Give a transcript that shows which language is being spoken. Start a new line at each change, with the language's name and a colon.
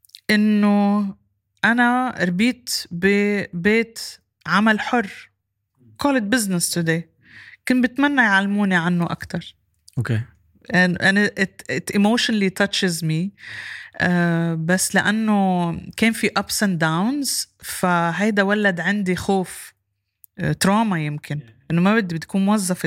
Arabic: إنه أنا ربيت ببيت عمل حر، call it business today، كنت بتمنى يعلموني عنه أكتر. أوكي.
English: And it emotionally touches me.
Arabic: بس لأنه كان في ups and downs، فهيدا ولد عندي خوف تروما يمكن أنه ما بدي بتكون موظف.